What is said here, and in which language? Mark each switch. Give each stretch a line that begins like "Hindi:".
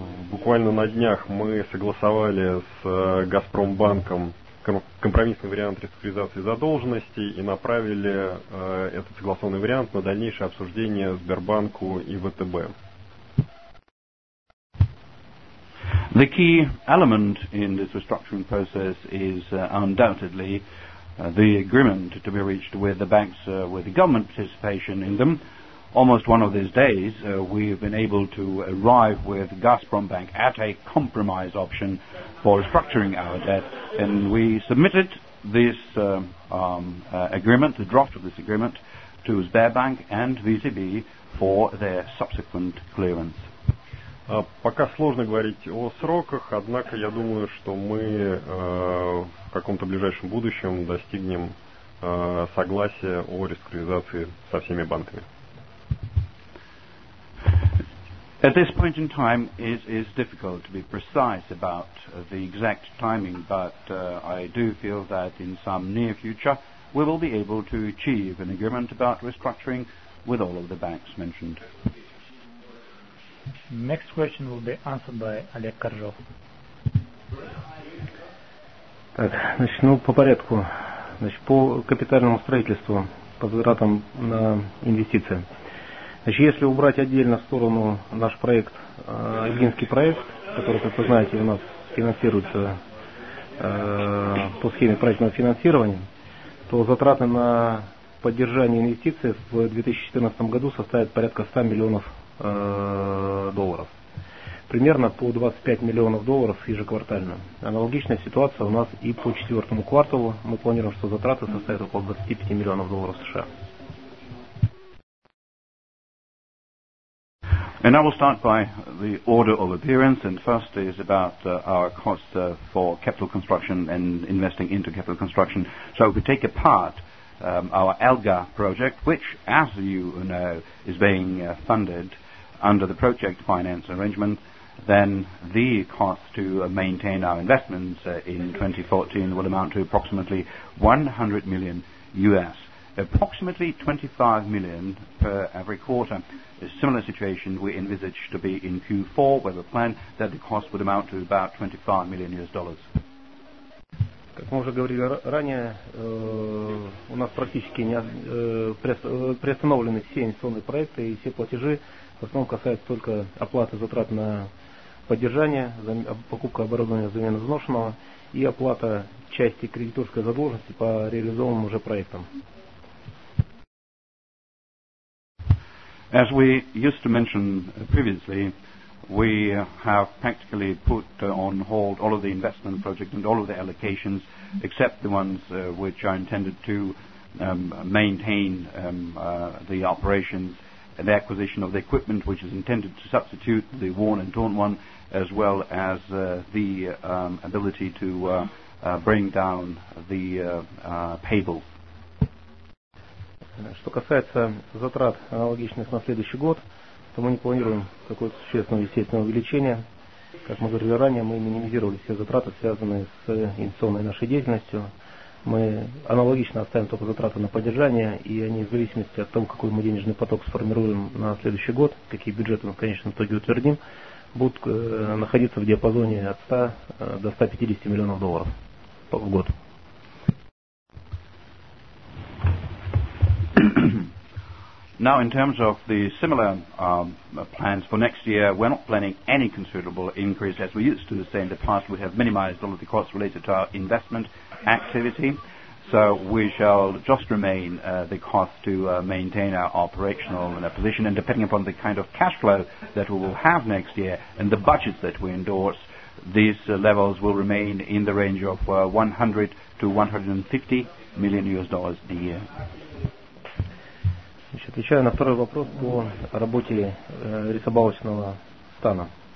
Russian: Буквально на днях мы согласовали с Газпромбанком компромиссный вариант реструктуризации задолженности и направили этот согласованный вариант на дальнейшее обсуждение Сбербанку и ВТБ.
English: The key element in this restructuring process is undoubtedly the agreement to be reached with the banks with the government participation in them. Almost one of these days, we've been able to arrive with Gazprom Bank at a compromise option for restructuring our debt, and we submitted this agreement, the draft of this agreement, to Sberbank and VTB for their subsequent clearance.
Russian: Пока сложно говорить о сроках, однако я думаю, что мы в каком-то ближайшем будущем достигнем согласия о реструктуризации со всеми банками.
English: At this point in time, it is difficult to be precise about the exact timing, but I do feel that in some near future, we will be able to achieve an agreement about restructuring with all of the banks mentioned. Next question will be answered by Олег Коржов.
Russian: Так, значит, ну, по порядку. Значит, по капитальному строительству, по затратам на инвестиции. Значит, если убрать отдельно в сторону наш проект, Ильинский проект, который, как вы знаете, у нас финансируется по схеме проектного финансирования, то затраты на поддержание инвестиций в 2014 году составят порядка 100 миллионов долларов. Примерно по 25 миллионов долларов ежеквартально. Аналогичная ситуация у нас и по четвертому кварталу. Мы планируем, что затраты составят около 25 миллионов долларов США.
English: And I will start by the order of appearance, and first is about our cost for capital construction and investing into capital construction. So if we take apart our ELGA project, which, as you know, is being funded under the project finance arrangement, then the cost to maintain our investments in 2014 will amount to approximately $100 million. Approximately 25 million per every quarter. A similar situation we envisage to be in Q4 with a plan that the cost would amount to about $25 million.
Russian: Как мы уже говорили ранее, у нас практически не приостановлены все инвестиционные проекты и все платежи в основном касаются только оплаты затрат на поддержание, покупка оборудования, замена изношенного и оплата части кредиторской задолженности по реализованным уже проектам.
English: As we used to mention previously, we have practically put on hold all of the investment projects and all of the allocations except the ones which are intended to maintain the operations, the acquisition of the equipment which is intended to substitute the worn and torn one, as well as the ability to bring down the payable.
Russian: Что касается затрат, аналогичных на следующий год, то мы не планируем такое существенное естественное увеличение. Как мы говорили ранее, мы минимизировали все затраты, связанные с инвестиционной нашей деятельностью. Мы аналогично оставим только затраты на поддержание, и они в зависимости от того, какой мы денежный поток сформируем на следующий год, какие бюджеты мы в конечном итоге утвердим, будут находиться в диапазоне от 100 до 150 миллионов долларов в год.
English: Now, in terms of the similar plans for next year, we're not planning any considerable increase. As we used to say in the past, we have minimized all of the costs related to our investment activity. So we shall just remain the cost to maintain our operational position. And depending upon the kind of cash flow that we will have next year and the budgets that we endorse, these levels will remain in the range of 100 to 150 million US dollars a year.
Russian: Значит, отвечаю на второй вопрос по работе рисобалочного стана.